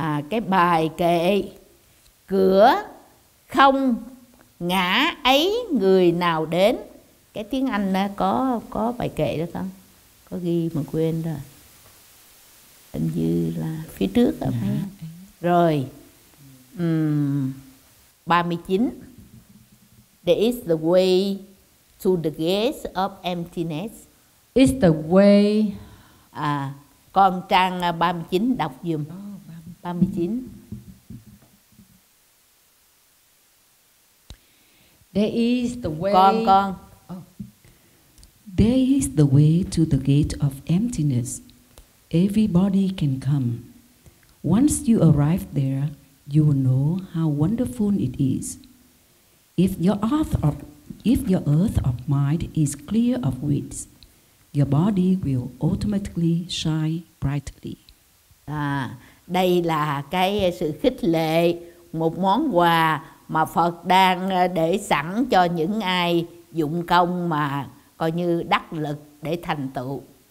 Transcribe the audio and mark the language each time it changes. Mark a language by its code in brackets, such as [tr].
[vi] Cái bài kệ cửa không ngã ấy người nào đến. Cái tiếng Anh có bài kệ đó không? Có ghi mà quên rồi. Hình như là phía trước là phải. Rồi. 39. [en] There is the way to the gates of emptiness. It's the way. [vi] Còn trang 39 đọc giùm. 39. [en] There is the way. [vi] Con. Oh. [en] There is the way to the gate of emptiness. Everybody can come. Once you arrive there, you will know how wonderful it is. If your earth of mind is clear of weeds, your body will automatically shine brightly. [vi] Đây là cái sự khích lệ, một món quà mà Phật đang để sẵn cho những ai dụng công mà coi như đắc lực để thành tựu.